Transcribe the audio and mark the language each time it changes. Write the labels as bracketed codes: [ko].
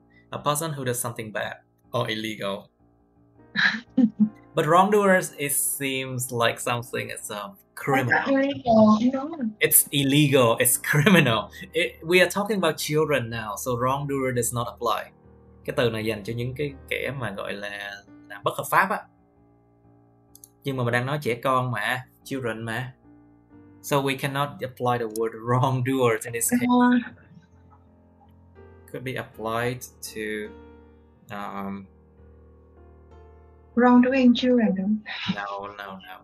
[en] A person who does something bad or illegal. But wrongdoers, it seems like something is a criminal. It's illegal, it's criminal. We are talking about children now, so wrongdoer does not apply. [vi] Cái từ này dành cho những cái kẻ mà gọi là làm bất hợp pháp á. Nhưng mà mình đang nói trẻ con mà, children mà. [en] So we cannot apply the word wrongdoers in this case. Could be applied to wrongdoing children. No.